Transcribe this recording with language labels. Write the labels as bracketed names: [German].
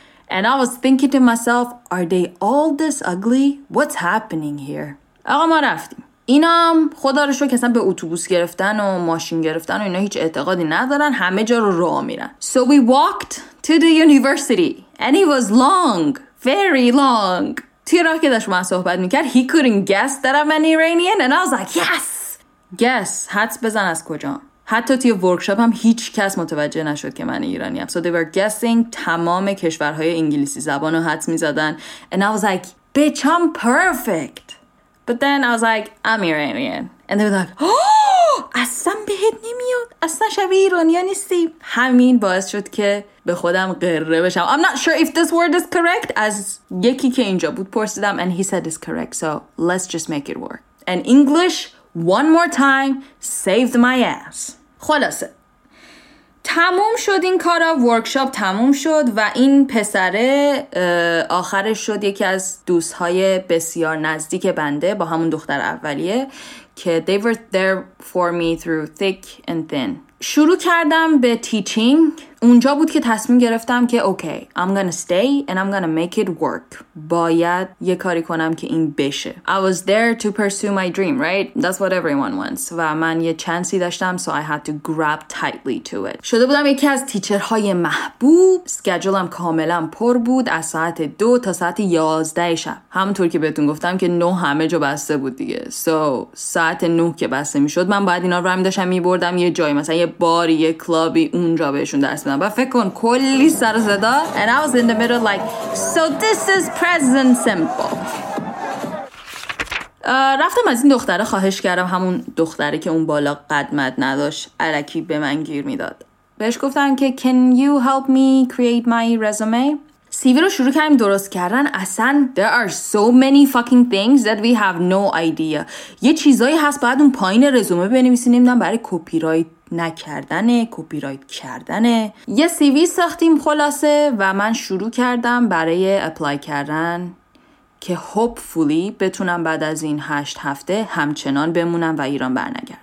[English] And I was thinking to myself, are they all this ugly? What's happening here? [Persian] آقا ما رفتیم. اینا هم خدا رو شکر کسان به اتوبوس گرفتن و ماشین گرفتن و اینا هیچ اعتقادی ندارن، همه جا رو راه میرن. [English] So we walked to the university and it was long, very long. [Persian] توی راه که داشت ما صحبت میکرد [English] he couldn't guess that I'm an Iranian and I was like, yes! Guess, [Persian] حدس بزن از کجا؟ حتی توی ورکشاپ هم هیچ کس متوجه نشد که من ایرانی هم. [English] So they were guessing [Persian] تمام کشورهای انگلیسی زبان رو حدس می زدن. [English] And I was like, bitch, I'm perfect. But then I was like, I'm Iranian. And they were like, oh, [Persian] اصلا بهت نمیاد. اصلا شبیه ایرانی ها نیستی. همین باعث شد که به خودم قره بشم. [English] I'm not sure if this word is correct. [Persian] از یکی که اینجا بود پرسیدم. [English] And he said it's correct. So let's just make it work. And English... One more time, saved my ass. [Persian] خلاصه تا تموم شد این کارا، ورکشاپ تموم شد و این پسره آخرش شد یکی از دوستهای بسیار نزدیک بنده با همون دختر اولیه که [English] they were there for me through thick and thin. [Persian] شروع کردم به تیچینگ. اونجا بود که تصمیم گرفتم که اوکی [English] I'm gonna stay and I'm gonna make it work. [Persian] باید یه کاری کنم که این بشه. [English] I was there to pursue my dream, right? That's what everyone wants. [Persian] و من یه چانسی داشتم, [English] so I had to grab tightly to it. [Persian] شده بودم یکی از تیچرهای محبوب. اسکیجولم کاملا پر بود از ساعت 2 تا ساعت 11 شب. همونطور که بهتون گفتم که 9 همه جا بسته بود دیگه. So ساعت 9 که بسته میشد من باید اینا رو هم داشتم میبردم یه جای, مثلا یه باری, یه کلابی اونجا بهشون درس میدم. بعد فکر کن کلی سر و صدا. [English] And I was in the middle like, so this is present simple. [Persian] رفتم از این دختره خواهش کردم, همون دختره که اون بالا قدمت نداشت الکی به من گیر میداد. بهش گفتم که [English] can you help me create my resume? [Persian] سیوی رو شروع کردیم درست کردن. اصلا [English] there are so many fucking things that we have no idea. [Persian] یه چیزایی هست بعد اون پایین رزومه بنویسی, نمیدونم برای کپی رایت نکردنه, کپی رایت کردنه. یه سیوی ساختیم خلاصه و من شروع کردم برای اپلای کردن که hopefully بتونم بعد از این 8 هفته همچنان بمونم و ایران برنگردم.